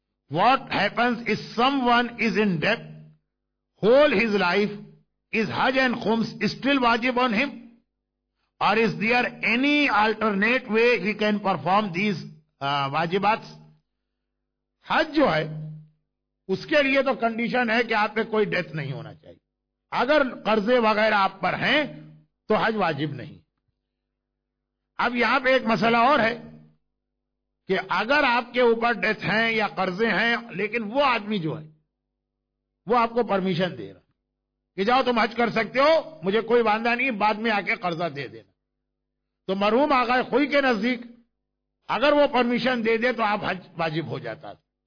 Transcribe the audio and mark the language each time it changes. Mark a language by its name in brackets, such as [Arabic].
[English] What happens is someone is in debt whole his life, is Hajj and Khums still wajib on him, or is there any alternate way he can perform these wajibats? [Urdu] Hajj جو ہے اس کے لیے تو condition ہے کہ آپ پہ کوئی debt نہیں ہونا چاہیے. اگر قرضے وغیرہ آپ پر ہیں تو حج واجب نہیں. اب یہاں پہ ایک مسئلہ اور ہے کہ اگر آپ کے اوپر ڈیتھ ہیں یا قرضے ہیں، لیکن وہ آدمی جو ہے وہ آپ کو پرمیشن دے رہا کہ جاؤ تم حج کر سکتے ہو، مجھے کوئی باندھا نہیں، بعد میں آ کے قرضہ دے دینا. تو مرحوم آقا خوئی کے نزدیک اگر وہ پرمیشن دے دے تو آپ حج واجب ہو جاتا تھا.